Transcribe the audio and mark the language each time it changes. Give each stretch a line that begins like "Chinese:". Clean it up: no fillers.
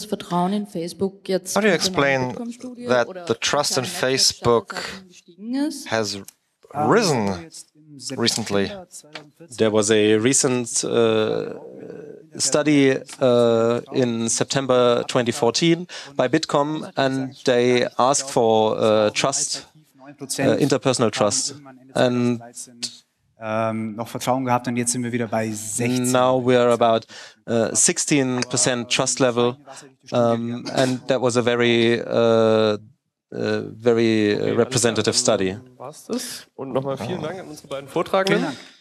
English: How do you explain that the trust in Facebook has risen recently? There was a recent study in September 2014 by Bitkom, and they asked for trust, interpersonal trust. And
German: noch Vertrauen gehabt, und jetzt sind wir wieder bei 16.
English: Now we are about 16% trust level, and that was a very very representative study.
German: Und nochmal vielen Dank an unsere beiden Vortragenden.